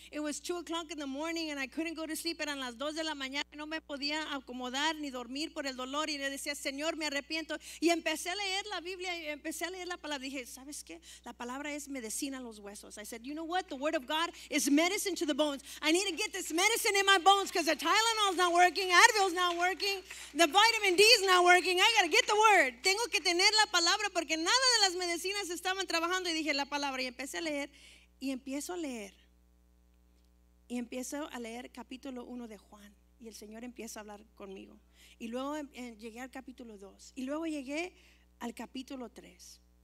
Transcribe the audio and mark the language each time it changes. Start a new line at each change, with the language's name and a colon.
English: It was 2:00 in the morning and I couldn't go to sleep.
Spanish: Eran las 2 de la mañana, no me podía acomodar ni dormir por el dolor, y le decía, Señor, me arrepiento. Y empecé a leer la Biblia y empecé a leer la palabra, dije, ¿sabes qué? La palabra es medicina a los huesos.
English: I said, you know what? The word of God is medicine to the bones. I need to get this medicine in my bones because the Tylenol is not working, Advil is not working, the vitamin D is not working. I got to get the word.
Spanish: Tengo que tener la palabra porque nada de las medicinas estaban trabajando, y dije, la palabra, y empecé a leer y empiezo a leer. Y empiezo a leer capítulo 1 de Juan y el Señor empieza a hablar conmigo. Y luego llegué al capítulo 2 y luego llegué al capítulo 3.